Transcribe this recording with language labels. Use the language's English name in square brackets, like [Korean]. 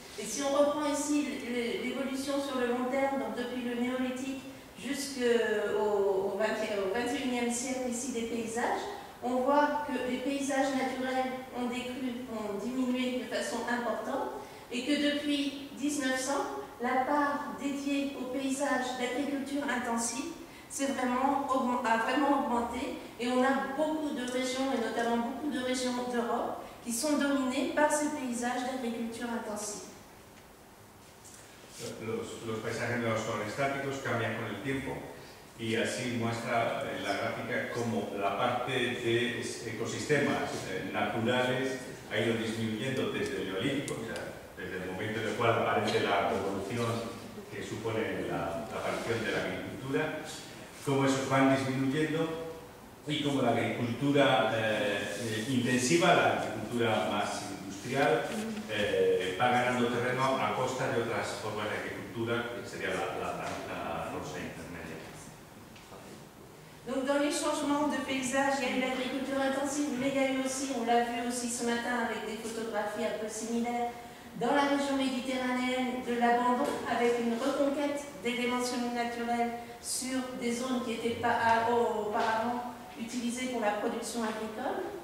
[French] Et si on reprend ici l'évolution sur le long terme, donc depuis le néolithique jusqu'au 21e siècle ici des paysages, on voit que les paysages naturels ont décru, ont diminué de façon importante, et que depuis 1900, la part dédiée aux paysages d'agriculture intensive c'est vraiment a vraiment augmenté et on a beaucoup de régions, et notamment beaucoup de régions d'Europe, qui sont dominées par ces paysages d'agriculture intensive. [Spanish] Los paisajes de los forestáticos cambian con el tiempo y así muestra en la gráfica cómo la parte de ecosistemas naturales ha ido disminuyendo desde el Neolítico, o sea, desde el momento en el cual aparece la revolución que supone la aparición de la agricultura, cómo esos van disminuyendo y cómo la agricultura intensiva, la agricultura más industrial, va ganando terreno a costa de otras formas de agricultura, que sería la rosa intermedia. [French] Donc dans les changements de paysage, il y a eu l'agriculture intensive, mais il y a eu aussi, on l'a vu aussi ce matin avec des photographies un peu similaires, dans la région méditerranéenne, de l'abandon, avec une reconquête des dimensions naturelles sur des zones qui n'étaient pas auparavant utilisées pour la production agricole.